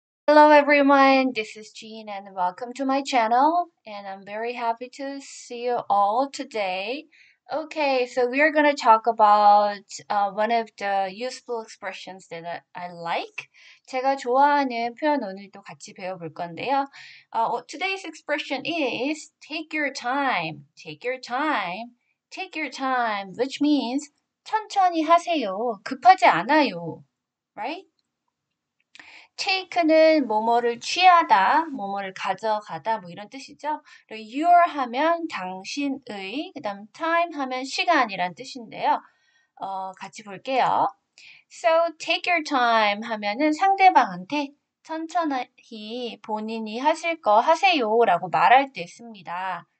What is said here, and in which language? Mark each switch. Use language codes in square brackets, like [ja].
[en] Hello everyone, this is Jean and welcome to my channel. And I'm very happy to see you all today. Okay, so we are going to talk about one of the useful expressions that I like. [ko] 제가 좋아하는 표현 오늘도 같이 배워볼 건데요. [en] Today's expression is take your time, take your time, take your time, which means [ko] 천천히 하세요. 급하지 않아요. [en] Right? [ko] take는 뭐뭐를 취하다, 뭐뭐를 가져가다, 뭐 이런 뜻이죠. your 하면 당신의, 그 다음 time 하면 시간이란 뜻인데요. 같이 볼게요. So, [en] take your time [ko] 하면은 상대방한테 천천히 본인이 하실 거 하세요 라고 말할 때 씁니다.